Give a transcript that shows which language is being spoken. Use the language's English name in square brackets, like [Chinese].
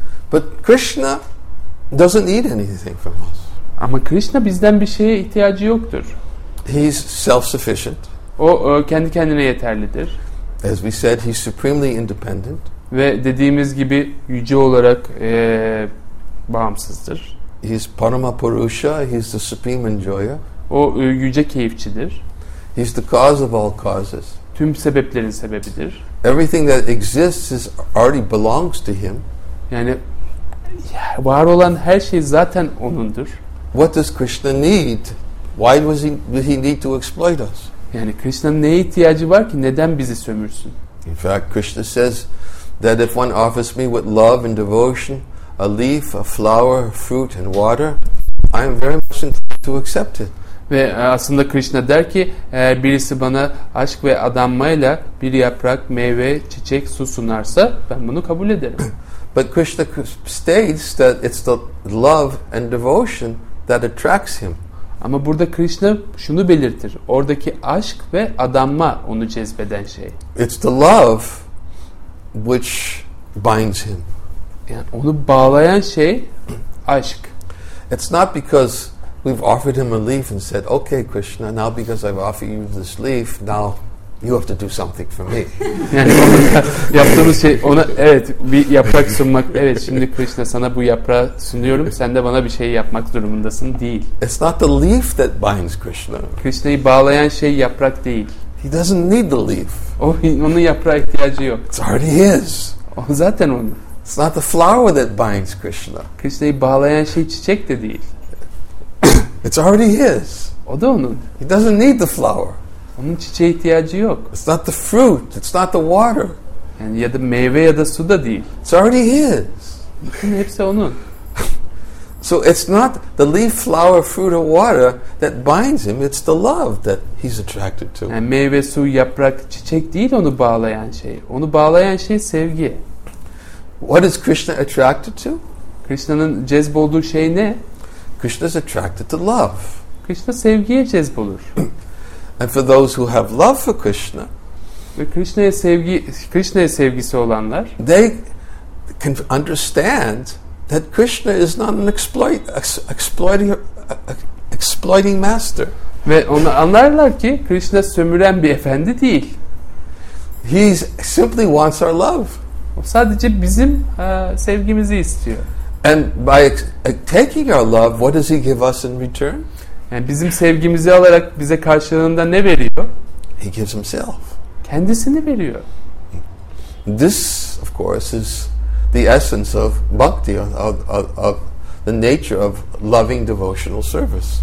[English] But Krishna doesn't need anything from us. [Turkish] Ama Krishna bizden bir şeye ihtiyacı yoktur. [English] He's self-sufficient. [Turkish] O kendi kendine yeterlidir. [English] As we said, he's supremely independent. [Turkish] Ve dediğimiz gibi yüce olarak bağımsızdır. [English] He's Parama Purusha, he's the supreme enjoyer. [Turkish] O yüce keyifçidir. [English] He's the cause of all causes. [Turkish] Tüm sebeplerin sebebidir. [English] Everything that exists is already belongs to him. [Turkish] Yani var olan her şey zaten onundur. [English] What does Krishna need? Why was he need to exploit us? [Turkish] Yani Krishna'nın neye ihtiyacı var ki neden bizi sömürsün? [English] In fact, Krishna says that if one offers me with love and devotion a leaf, a flower, a fruit and water, I am very much inclined to accept it. [Turkish] Ve aslında Krishna der ki eğer birisi bana aşk ve adanmayla bir yaprak, meyve, çiçek, su sunarsa ben bunu kabul ederim. [English] But Krishna states that it's the love and devotion that attracts him. [Turkish] Ama burada Krishna şunu belirtir. Oradaki aşk ve adanma onu cezbeden şey. [English] It's the love which binds him. [Turkish] Yani onu bağlayan şey aşk. [English] It's not because we've offered him a leaf and said, okay Krishna, now because I've offered you this leaf, now you have to do something for me. [Turkish] Yani yaptığımız şey ona evet bir yaprak sunmak. Evet şimdi Krishna sana bu yaprağı sunuyorum. Sen de bana bir şey yapmak durumundasın değil. [English] It's not the leaf that binds Krishna. [Turkish] Krishna'yı bağlayan şey yaprak değil. [English] He doesn't need the leaf. [Turkish] Onun yaprağa ihtiyacı yok. [English] It's already his. [Turkish] O zaten onun. [English] It's not the flower that binds Krishna. [Turkish] Krishna'yı bağlayan şey çiçek de değil. [English] It's already his. [Turkish] O da onun. [English] He doesn't need the flower. [Turkish] Onun çiçeğe ihtiyacı yok. [English] It's not the fruit, it's not the water. [Turkish] Yani ya da meyve ya da su da değil. [English] It's already his. [Turkish] Bütün hepsi onun. [English] So it's not the leaf, flower, fruit or water that binds him, it's the love that he's attracted to. [Turkish] Yani meyve, su, yaprak, çiçek değil onu bağlayan şey. Onu bağlayan şey sevgi. [English] What is Krishna attracted to? [Turkish] Krishna'nın cezbolduğu şey ne? [English] Krishna's attracted to love. [Turkish] Krishna sevgiye cezbolur. [English] And for those who have love for Krishna, [Turkish] ve Krishna'ya sevgisi olanlar, [English] they can understand that Krishna is not an exploiting master. [Turkish] Ve onu anlarlar ki Krishna sömüren bir efendi değil. [English] He simply wants our love. [Turkish] O sadece bizim sevgimizi istiyor. [English] And by taking our love, what does he give us in return? [Turkish] Yani bizim sevgimizi alarak bize karşılığında ne veriyor? [English] He gives himself. [Turkish] Kendisini veriyor. [English] This, of course, is the essence of bhakti, of the nature of loving devotional service.